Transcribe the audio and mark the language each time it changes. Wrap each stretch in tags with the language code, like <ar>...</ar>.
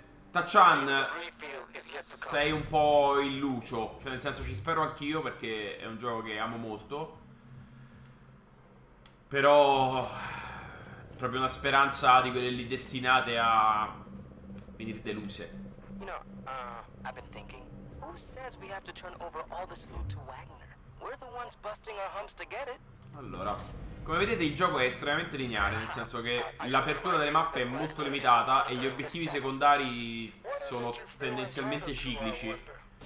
<it>Tachan, sei un po' il lucio, cioè nel senso ci spero anch'io perché è un gioco che amo molto, però proprio una speranza di quelle lì destinate a venire deluse.</it> <en>You know, I've been thinking, who says we have to turn over all this loot to Wagner? We're the ones busting our humps to get it.</en> <it>Allora, come vedete il gioco è estremamente lineare, nel senso che l'apertura delle mappe è molto limitata e gli obiettivi secondari sono tendenzialmente ciclici.</it>